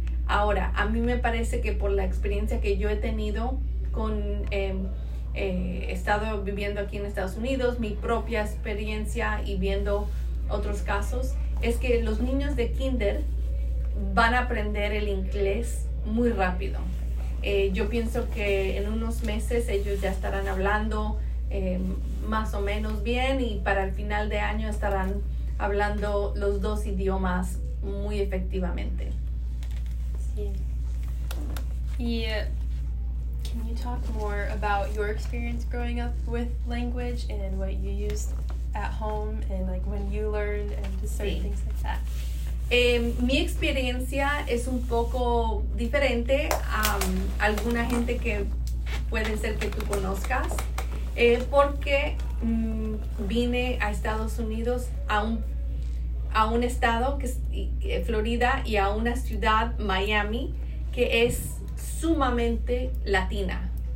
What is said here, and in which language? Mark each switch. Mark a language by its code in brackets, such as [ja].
[es] Ahora, a mí me parece que por la experiencia que yo he tenido con estado viviendo aquí en Estados Unidos, mi propia experiencia y viendo otros casos, es que los niños de kinder van a aprender el inglés muy rápido. Yo pienso que en unos meses ellos ya estarán hablando más o menos bien, y para el final de año estarán hablando los dos idiomas muy efectivamente. Sí. [en] Y can you talk more about your experience growing up with language and what you used at home and like when you learned and just certain sí. things like that? [es] Mi experiencia es un poco diferente a alguna gente que puede ser que tú conozcas, porque vine a Estados Unidos a un estado que es Florida, y a una ciudad, Miami, que es sumamente latina.